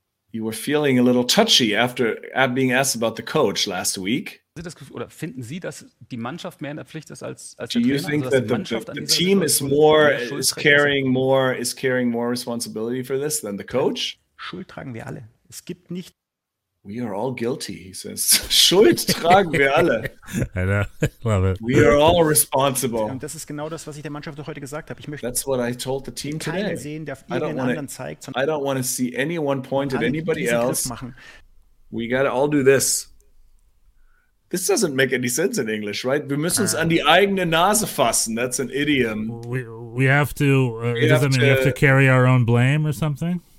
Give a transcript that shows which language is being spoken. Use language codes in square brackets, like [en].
[en] You were feeling a little touchy after being asked about the coach last week. [de] Oder finden Sie, dass die Mannschaft mehr in der Pflicht ist als der [en] Trainer? Do you think that the team is carrying more responsibility for this than the coach? [de] Schuld tragen wir alle. Es gibt nicht. [en] We are all guilty, he says. [de] Schuld tragen wir alle. [en] I know. Love it. We are all responsible. [de] Und das ist genau das, was ich der Mannschaft heute gesagt habe. Ich möchte [en] That's what I told the team today. [de] Keinen sehen, der irgendeinen anderen zeigt, [en] sondern I don't want to see anyone point at anybody else. We got to all do this. This doesn't make any sense in English, right? [de] Wir müssen uns an die eigene Nase fassen. [en] That's an idiom. We have to carry our own blame or something.